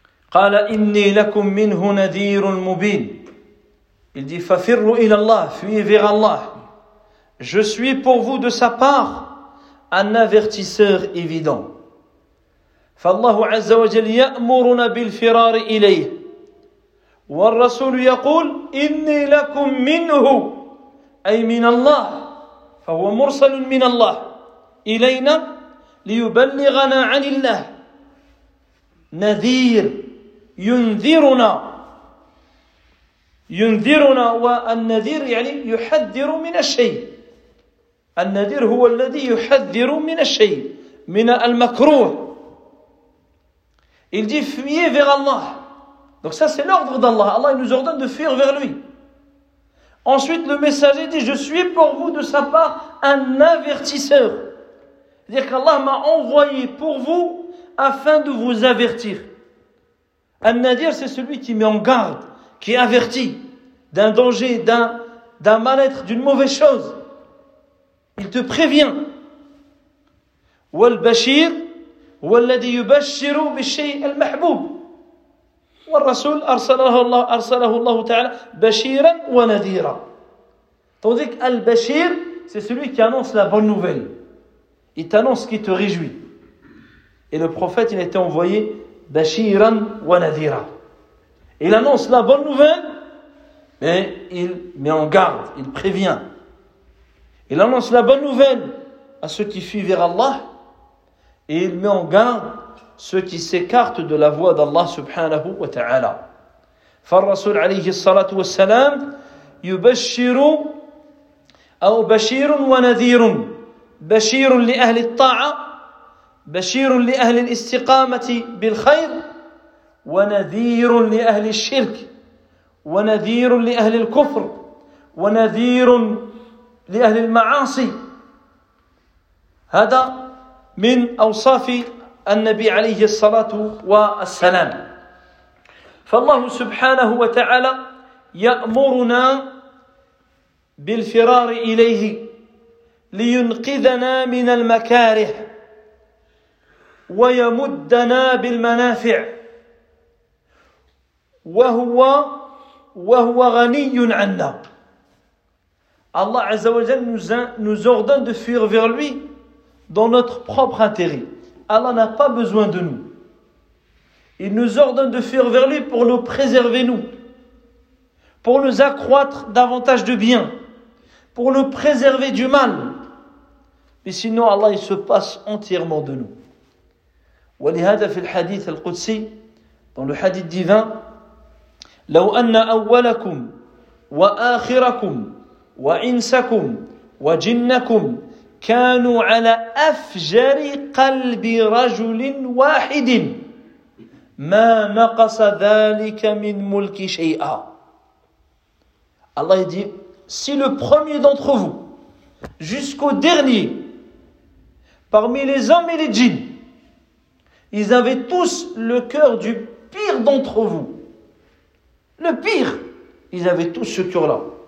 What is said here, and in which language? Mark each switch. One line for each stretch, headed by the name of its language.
Arabic: قال إني لكم منه نذير مبين.
French: Il dit:
Arabic: ففروا إلى الله,
French: fuyez vers Allah. Je suis pour vous de sa part un avertisseur évident.
Arabic: فالله عز وجل يأمرنا بالفرار إليه والرسول يقول إني لكم منه أي من الله فهو مرسل من الله إلينا ليبلغنا عن الله نذير ينذرنا ينذرنا والنذير يعني يحذر من الشيء النذير هو الذي يحذر من الشيء من المكروه.
French: Il dit: fuyez vers Allah. Donc ça, c'est l'ordre d'Allah. Allah, il nous ordonne de fuir vers lui. Ensuite, le messager dit: je suis pour vous de sa part un avertisseur. C'est-à-dire qu'Allah m'a envoyé pour vous afin de vous avertir. Al-Nadir, c'est celui qui met en garde, qui avertit d'un danger, d'un mal-être, d'une mauvaise chose. Il te prévient.
Arabic: Wal-Bashir, والذي يبشر بالشيء المحبوب والرسول أرسله الله تعالى بشيرا ونذيرا.
French: Tandis que al-bashir, c'est celui qui annonce la bonne nouvelle. Il t'annonce ce qui te réjouit. Et le prophète, il a été envoyé
Arabic: بشيرا ونذيرا.
French: Il annonce la bonne nouvelle, mais il met en garde, il prévient. Il annonce la bonne nouvelle à ceux qui fuient vers Allah. Et il met en garde ceux qui s'écartent de la voie d'Allah subhanahu wa ta'ala.
Arabic: فالرسول عليه الصلاة والسلام يبشر أو بشير ونذير. بشير لأهل الطاعة, بشير لأهل الاستقامة بالخير, ونذير لأهل الشرك, ونذير لأهل الكفر, ونذير لأهل المعاصي. هذا من أوصاف النبي عليه الصلاة والسلام. فالله سبحانه وتعالى يأمرنا بالفرار إليه لينقذنا من المكاره ويمدنا بالمنافع, وهو غني عنا.
French: الله عز وجل nous ordonne de fuir vers lui dans notre propre intérêt. Allah n'a pas besoin de nous. Il nous ordonne de fuir vers lui pour nous préserver, nous, pour nous accroître davantage de bien, pour nous préserver du mal. Mais sinon, Allah, il se passe entièrement de nous.
Arabic: ولهذا في الحديث القدسي,
French: dans le hadith divin,
Arabic: لو أن أولكم وآخركم وإنسكم وجنكم كانوا على أفجر قلب رجل واحد ما نقص ذلك من ملك شيئا.
French: Allah dit: si le premier d'entre vous jusqu'au dernier parmi les hommes et les djinns, ils avaient tous le cœur du pire d'entre vous, le pire, ils avaient tous ce cœur-là,